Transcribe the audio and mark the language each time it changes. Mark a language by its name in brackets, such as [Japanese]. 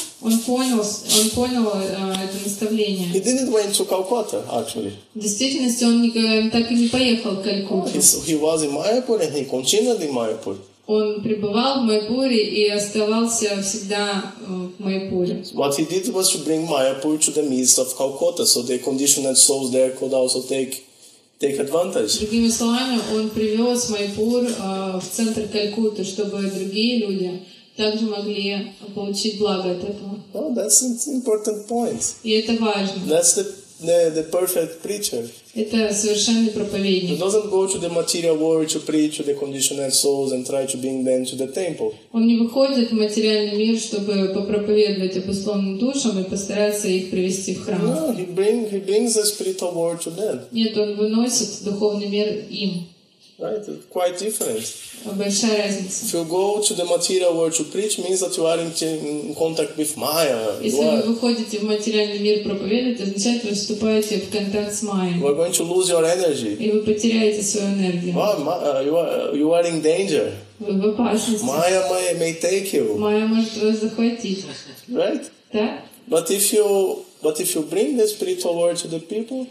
[Russian] Он понял это наставление. [English] He didn't went to Calcutta, actually. [Russian] В действительности он так и не поехал в Калькутту. [English] He was in Mayapur and he continued in Mayapur. [Russian] Он пребывал в Майпуре и оставался всегда в Майпуре. [English] What he did was to bring Mayapur to the midst of Calcutta, so the conditioned souls there could also take advantage. [Russian] Другими словами, он привез Майпур в центр Калькутты, чтобы другие люди также могли получить благо от этого. [English] Well, that's an important point. [Russian] И это важно. [English] That's the perfect preacher. [Russian] Это совершенный проповедник. [English] He doesn't go to the material world to preach to the conditioned souls and try to bring them to the temple. [Russian] Он не выходит в материальный мир, чтобы попроповедовать обусловленным душам и постараться их привести в храм. [English] No, he brings the spiritual world to them. [Russian] Нет, он выносит духовный мир им. [English] Right, quite different. [Russian] Большая разница. [English] If you go to the material world to preach, means that you are in contact with Maya. [Russian] Если вы выходите в материальный мир проповедовать, означает, что вы вступаете в контакт с Майей. [English] You are going to lose your energy. [Russian] И вы потеряете свою энергию. [English] Wow, you are in danger. [Russian] Вы в опасности. [English] Maya may take you. [Russian] Майя может вас захватить. [English] Right? [Russian] Да. [English] But if you bring the spiritual word to the people,